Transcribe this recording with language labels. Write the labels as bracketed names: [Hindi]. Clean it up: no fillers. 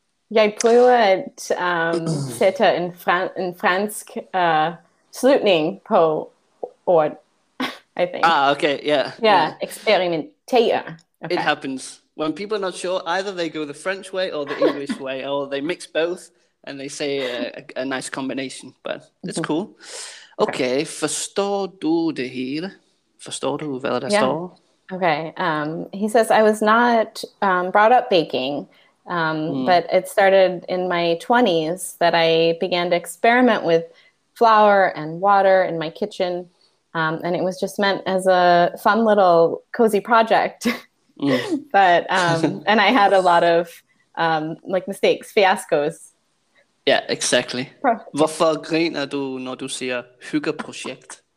[Danish] Jeg prøver at sætte en fransk slutning på ord, [English] I think. Ah, okay, yeah. Yeah, experimentere. Okay. It happens. When people are not sure, either they go the French way or the English way, or they mix both and they say a nice combination, but it's cool. [Danish] Okay, forstår du det hele? Forstår du hvad der står? [English] Okay, he says, I was not brought up baking, but it started in my 20s that I began to experiment with flour and water in my kitchen, and it was just meant as a fun little cozy project. But and I had a lot of like mistakes, fiascos. Yeah, exactly. [Danish] Hvorfor griner du når du siger hyggeprojekt?